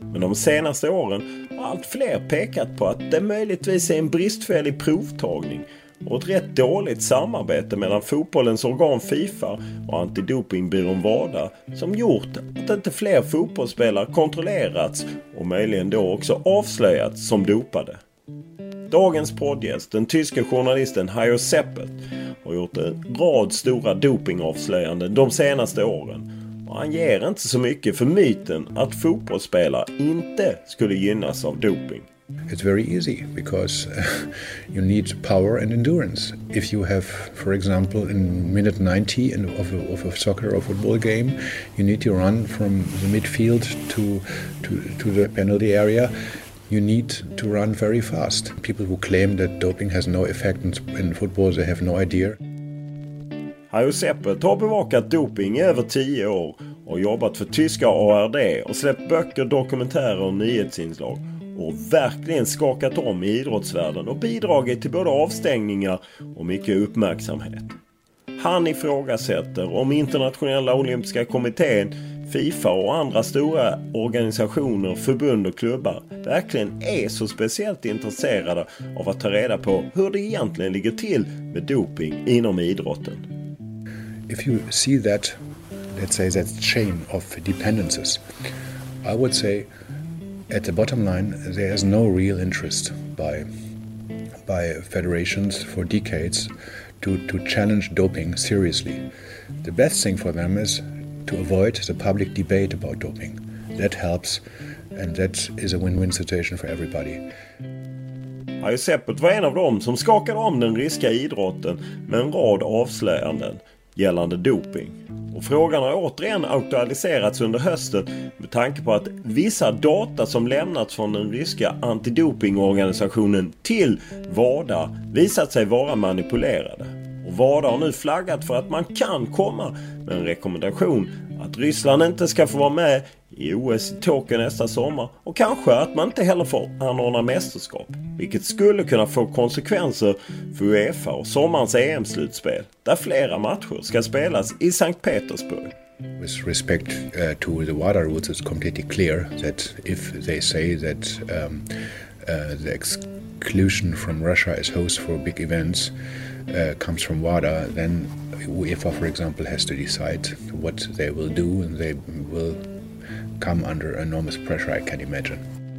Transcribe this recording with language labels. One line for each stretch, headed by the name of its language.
Swedish: Men de senaste åren har allt fler pekat på att det möjligtvis är en bristfällig provtagning och ett rätt dåligt samarbete mellan fotbollens organ FIFA och antidopingbyrån WADA som gjort att inte fler fotbollsspelare kontrollerats och möjligen då också avslöjats som dopade. Dagens poddgäst, den tyske journalisten Hajo Seppelt, har gjort en rad stora dopingavslöjanden de senaste åren. Han ger inte så mycket för myten att fotbollsspelare inte skulle gynnas av doping.
English: It's very easy because you need power and endurance. If you have, for example, in minute 90 of a soccer or football game, you need to run from the midfield to the penalty area. You need to run very fast. People who claim that doping has no effect in football, they have no idea.
Swedish: Hajo Seppelt har bevakat doping i över 10 år och jobbat för tyska ARD och släppt böcker, dokumentärer och nyhetsinslag och verkligen skakat om i idrottsvärlden och bidragit till både avstängningar och mycket uppmärksamhet. Han ifrågasätter om Internationella olympiska kommittén, FIFA och andra stora organisationer, förbund och klubbar verkligen är så speciellt intresserade av att ta reda på hur det egentligen ligger till med doping inom idrotten.
English: If you see that let's say, that chain of dependencies. I would say, at the bottom line, there is no real interest by federations for decades to challenge doping seriously. The best thing for them is to avoid the public debate about doping. That helps, and that is a win-win situation for everybody.
Swedish: Ja, Seppet var en av dem som skakade om den ryska idrotten med en rad avslöjanden gällande doping. Och frågan har återigen aktualiserats under hösten med tanke på att vissa data som lämnats från den ryska antidopingorganisationen till WADA visat sig vara manipulerade. Och WADA har nu flaggat för att man kan komma med en rekommendation att Ryssland inte ska få vara med i OS i Tokyo nästa sommar och kanske att man inte heller får anordna mästerskap, vilket skulle kunna få konsekvenser för UEFA och sommarens EM-slutspel där flera matcher ska spelas i Sankt Petersburg.
English: With respect to the WADA rules, it's completely clear that if they say that the exclusion from Russia as host for big events comes from WADA, then UEFA, for example, has to decide what they will do, and they will come under enormous pressure, I can imagine.